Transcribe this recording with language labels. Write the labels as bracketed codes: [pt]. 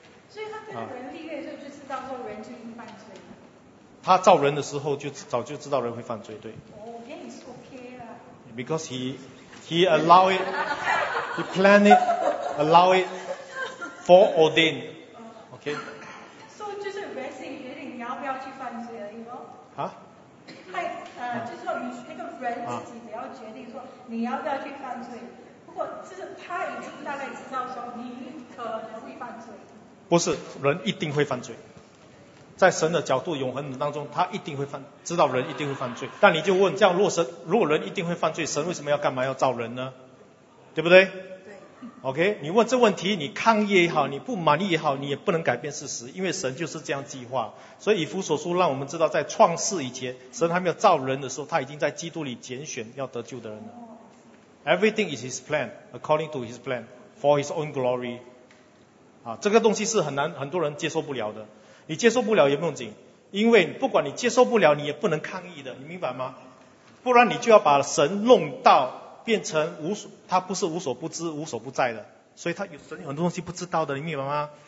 [zh] 所以他跟人立约的时候就知道说人就应犯罪。他造人的时候就早就知道人会犯罪，对。 [en] Oh, yeah, it's okay. Because he allow it, he plan it, allow it, foreordained. Okay. [zh] So 就是 resting 决定你要不要去犯罪了，哈？就是说你那个人自己也要决定说你要不要去犯罪。不过就是他已经大概知道说你可能会犯罪。不是，人一定会犯罪，在神的角度永恒当中他一定会犯，知道人一定会犯罪。但你就问，这样若神，如果人一定会犯罪，神为什么要干嘛要造人呢？对不对？对。 OK， 你问这问题，你抗议也好，你不满意也好，你也不能改变事实，因为神就是这样计划。所以以弗所书让我们知道，在创世以前神还没有造人的时候，他已经在基督里拣选要得救的人了。 [en] Everything is his plan according to his plan for his own glory。 [zh] 这个东西是很难，很多人接受不了的。你接受不了也不用紧，因为不管你接受不了，你也不能抗议的，你明白吗？不然你就要把神弄到变成无所，他不是无所不知无所不在的，所以他有神有很多东西不知道的，你明白吗？